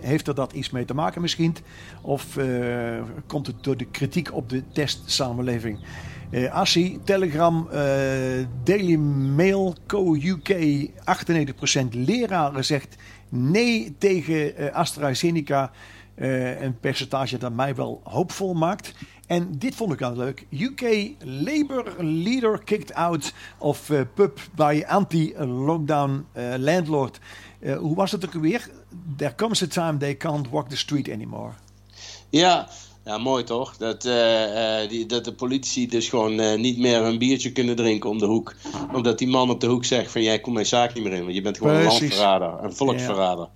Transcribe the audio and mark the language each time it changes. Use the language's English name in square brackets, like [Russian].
[Dutch] Heeft er dat iets mee te maken misschien? Of komt het door de kritiek op de testsamenleving? Assie, Telegram, Daily Mail, Co. UK, 98% leraren zegt nee tegen AstraZeneca. Een percentage dat mij wel hoopvol maakt. En dit vond ik wel leuk. [English] UK Labour Leader kicked out of pub by anti-lockdown landlord. [Dutch] Hoe was het ook weer? [English] There comes a time they can't walk the street anymore. [Dutch] Ja, ja mooi toch? Dat de politici dus gewoon niet meer een biertje kunnen drinken om de hoek. Omdat die man op de hoek zegt van jij komt mijn zaak niet meer in. Want je bent gewoon precies. Een landverrader, een volksverrader.